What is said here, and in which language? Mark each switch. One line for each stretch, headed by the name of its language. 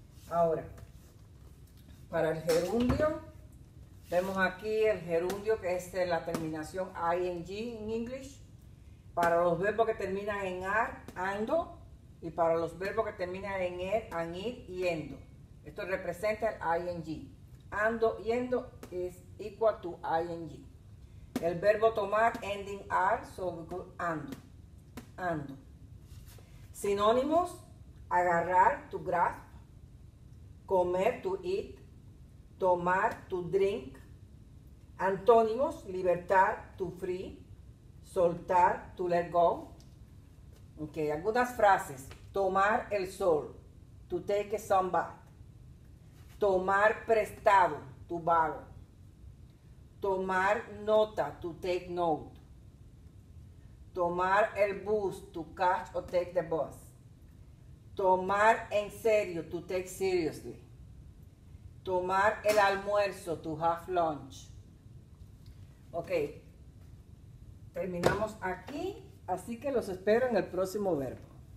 Spanish: Ahora, para el gerundio. Vemos aquí el gerundio, que es la terminación ing en English. Para los verbos que terminan en ar, ando. Y para los verbos que terminan en er, an ir y endo. Esto representa el ing. Ando, yendo
English: is equal to ing.
Spanish: El verbo tomar,
English: ending ar, so we call
Spanish: ando. Ando.
English: Sinónimos, agarrar, to grasp. Comer, to eat. Tomar, to drink. Antónimos, libertad, to free, soltar, to let go. Ok,
Spanish: algunas frases. Tomar el sol,
English: to take a sun bath.
Spanish: Tomar prestado,
English: to borrow.
Spanish: Tomar nota,
English: to take note.
Spanish: Tomar el bus,
English: to catch or take the bus.
Spanish: Tomar en serio,
English: to take seriously.
Spanish: Tomar el almuerzo,
English: to have lunch.
Spanish: Ok, terminamos aquí, así que los espero en el próximo verbo.